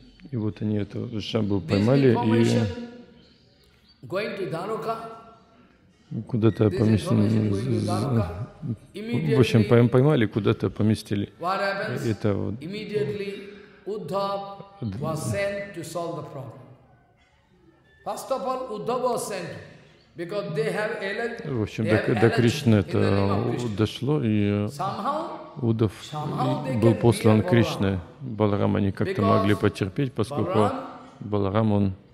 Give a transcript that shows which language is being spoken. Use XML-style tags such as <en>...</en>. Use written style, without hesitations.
<ru>И вот они это Шамбу поймали и</ru> <en>going to Dharuka,</en> <ru>куда-то поместили. В общем, поймали, куда-то поместили.</ru> <en>What happens?</en> <ru>Это вот.</ru> <en>Immediately Uddhav was sent to solve the problem. First of all, Uddhav was sent. Because they have alert,</en> <ru>в общем, до Кришны это дошло, и Удав был послан Кришне. Баларам они как-то</ru> <en>because</en> <ru>могли потерпеть, поскольку Баларам он</ru>